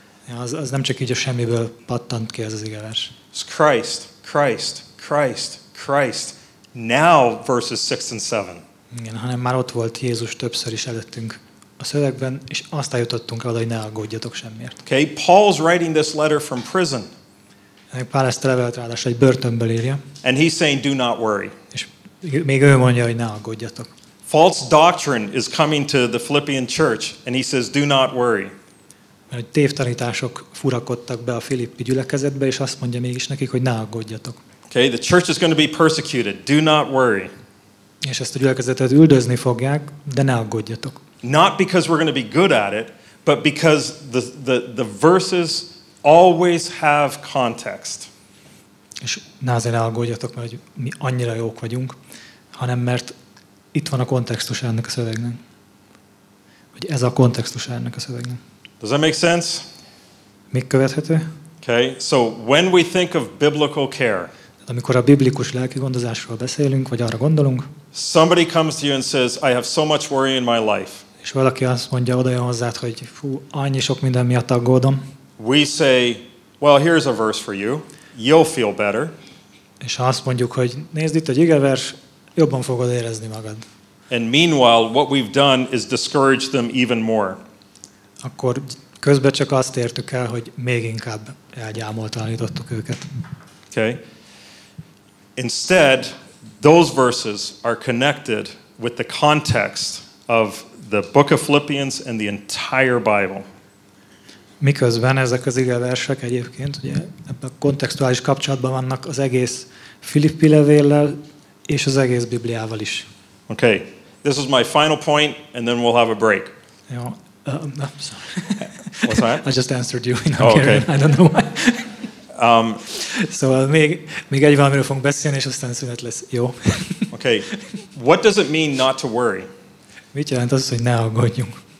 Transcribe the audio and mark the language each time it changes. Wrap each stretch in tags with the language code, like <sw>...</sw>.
<hu>Ja, az nem csak így a semmiből pattant ki ez az igevers.</hu> <en>It's Christ, Christ, Christ, Christ. Now verses 6 and 7.</en> <hu>Igen, hanem már ott volt Jézus többször is előttünk a szövegben, és azt eljutottunk el, hogy ne aggódjatok semmiért.</hu> <en>Okay, Paul's writing this letter from prison.</en> <hu>Pál ezt a levelet ráadásul egy börtönből írja.</hu> <en>And he's saying, do not worry.</en> <hu>És még ő mondja, hogy ne aggódjatok.</hu> <en>False doctrine is coming to the Philippian church, and he says, do not worry.</en> <hu>Mert egy tévtanítások furakodtak be a Filippi gyülekezetbe, és azt mondja mégis nekik, hogy ne aggódjatok.</hu> <en>Okay, the church is going to be persecuted. Do not worry.</en> <hu>És ezt a gyülekezetet üldözni fogják, de ne aggódjatok.</hu> <en>Not because we're going to be good at it, but because the verses always have context.</en> <hu>És ne azért ne aggódjatok, mert mi annyira jók vagyunk, hanem mert itt van a kontextus ennek a szövegnek. Hogy ez a kontextus ennek a szövegnek.</hu> <en>Does that make sense?</en> <hu>Még követhető?</hu> <en>Okay. So when we think of biblical care,</en> <hu>amikor a biblikus lelkigondozásról beszélünk, vagy arra gondolunk,</hu> <en>somebody comes to you and says, I have so much worry in my life.</en> <hu>És valaki azt mondja, odajön hozzád, hogy fú, annyi sok minden miatt aggódom.</hu> <en>We say, well, here's a verse for you. You'll feel better.</en> <hu>És azt mondjuk, hogy nézd itt egy igevers, jobban fogod érezni magad.</hu> <en>And meanwhile, what we've done is discourage them even more.</en> <hu>Akkor közben csak azt értük el, hogy még inkább elgyámoltalanítottuk őket.</hu> <en>Okay. Instead, those verses are connected with the context of the book of Philippians and the entire Bible.</en> <hu>Miközben ezek az igeversek egyébként, ugye, ebben a kontextuális kapcsolatban vannak az egész Filippi levéllel és az egész Bibliával is.</hu> <en>Okay. This is my final point and then we'll have a break.</en> <hu>Jó.</hu> <en>What's that? I just answered you. No, oh, okay. I don't know why.</en> <hu>So még egy valamiről fogunk beszélni, és aztán szünet lesz. Jó.</hu> <en>Okay. What does it mean not to worry?</en> <hu>Mit jelent az, hogy ne aggódjunk?</hu>